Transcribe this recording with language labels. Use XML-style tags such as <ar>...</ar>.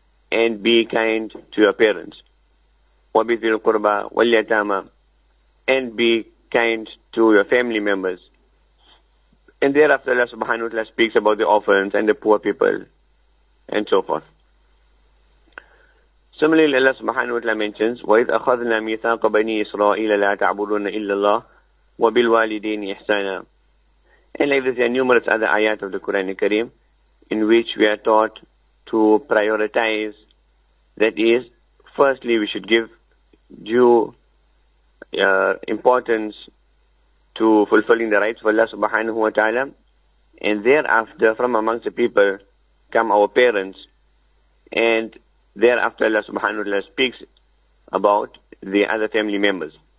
<en>And be kind to your parents.</en> <ar>وَبِذِي الْقُرْبَى وَالْيَتَامَى.</ar> <en>And be kind to your family members. And thereafter Allah subhanahu wa ta'ala speaks about the orphans and the poor people and so forth. Similarly, Allah subhanahu wa ta'ala mentions,</en> <ar>وَإِذْ أَخَذْنَا مِيثَاقَ بَنِي إِسْرَائِيلَ لَا تَعْبُدُونَ إِلَّا اللَّهَ وَبِالْوَالِدَيْنِ إِحْسَانًا.</ar> <en>And like this, there are numerous other ayat of the Quran al-Kareem in which we are taught to prioritize, that is, firstly, we should give due importance to fulfilling the rights of Allah subhanahu wa ta'ala, and thereafter, from amongst the people, come our parents, and thereafter Allah subhanahu wa ta'ala speaks about the other family members.</en>